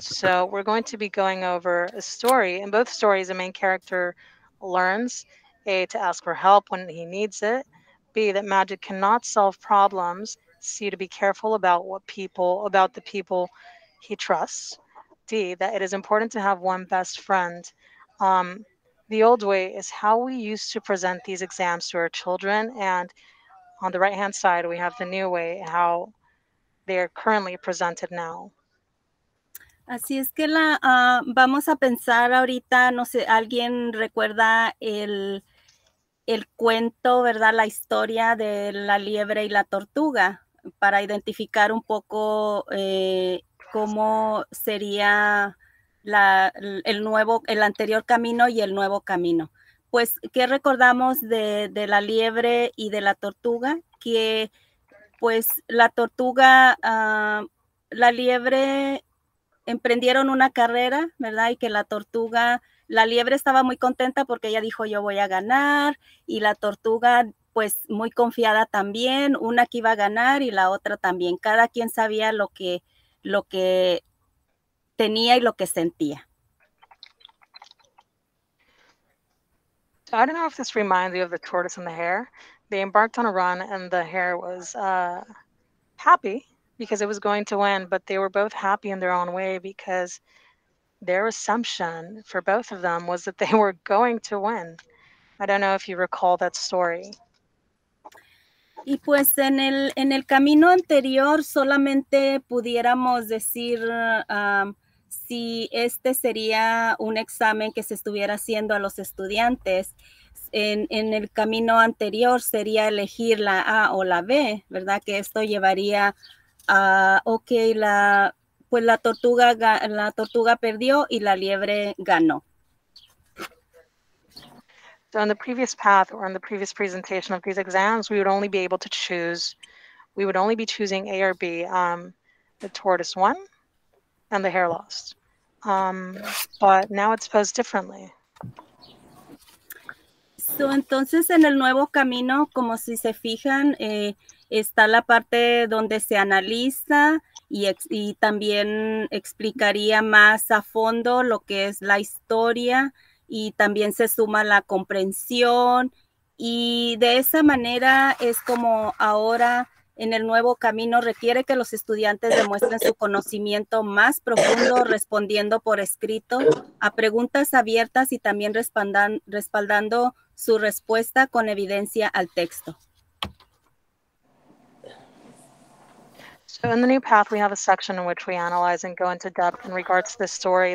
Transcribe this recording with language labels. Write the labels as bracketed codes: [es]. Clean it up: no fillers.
[en] So we're going to be going over a story. In both stories, the main character learns A, to ask for help when he needs it, B, that magic cannot solve problems, C, to be careful about the people he trusts, D, that it is important to have one best friend. The old way is how we used to present these exams to our children, and on the right-hand side, we have the new way, how they are currently presented now. [es] Así es que vamos a pensar ahorita, no sé, ¿alguien recuerda el cuento, verdad, la historia de la liebre y la tortuga? Para identificar un poco... cómo sería el anterior camino y el nuevo camino. Pues, ¿qué recordamos de la liebre y de la tortuga? Que, pues, la tortuga, la liebre emprendieron una carrera, ¿verdad? Y que la liebre estaba muy contenta porque ella dijo, yo voy a ganar. Y la tortuga, pues, muy confiada también. Una que iba a ganar y la otra también. Cada quien sabía lo que tenía y lo que sentía. [en] So I don't know if this reminds you of the tortoise and the hare. They embarked on a run and the hare was happy because it was going to win, but they were both happy in their own way because their assumption for both of them was that they were going to win. I don't know if you recall that story. [es] Y pues en el camino anterior solamente pudiéramos decir si este sería un examen que se estuviera haciendo a los estudiantes. En el camino anterior sería elegir la A o la B, ¿verdad? Que esto llevaría a, la tortuga perdió y la liebre ganó. [en] So on the previous path or on the previous presentation of these exams, we would only be able to choose, we would only be choosing A or B, the tortoise won and the hare lost. But now it's posed differently. [es] So, entonces, en el nuevo camino, como si se fijan, está la parte donde se analiza y también explicaría más a fondo lo que es la historia y también se suma la comprensión. Y de esa manera es como ahora en el nuevo camino requiere que los estudiantes demuestren su conocimiento más profundo respondiendo por escrito a preguntas abiertas y también respaldando su respuesta con evidencia al texto. [en] So in the new path, we have a section in which we analyze and go into depth in regards to the story.